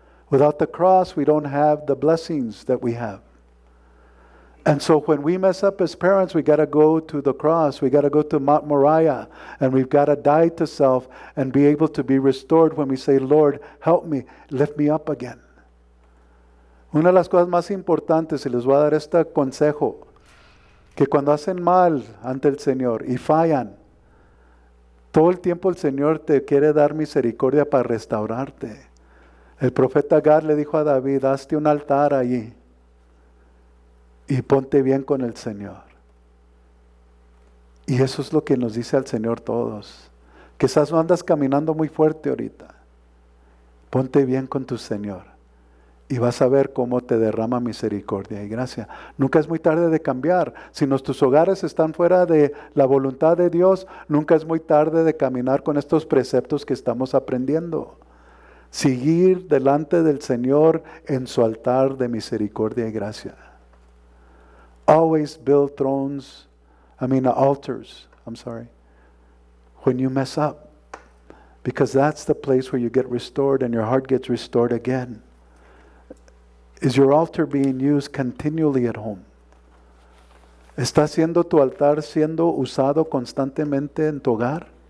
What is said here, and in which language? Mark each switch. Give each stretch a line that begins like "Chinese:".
English: Without the cross, we don't have the blessings that we have. And so when we mess up as parents, we got to go to the cross. We got to go to Mount Moriah. And we've got to die to self and be able to be restored when we say, Lord, help me. Lift me up again.
Spanish: Una de las cosas más importantes, y les voy a dar este consejo, que cuando hacen mal ante el Señor y fallan, todo el tiempo el Señor te quiere dar misericordia para restaurarte. El profeta Gad le dijo a David, hazte un altar allí y ponte bien con el Señor. Y eso es lo que nos dice el Señor todos. Quizás no andas caminando muy fuerte ahorita. Ponte bien con tu Señor. Y vas a ver cómo te derrama misericordia y gracia. Nunca es muy tarde de cambiar. Si nuestros hogares están fuera de la voluntad de Dios, nunca es muy tarde de caminar con estos preceptos que estamos aprendiendo. Seguir delante del Señor en su altar de misericordia y gracia.
English: Always build thrones, altars, I'm sorry, when you mess up. Because that's the place where you get restored and your heart gets restored again. Is your altar being used continually at home?
Spanish: ¿Está siendo tu altar siendo usado constantemente en tu hogar?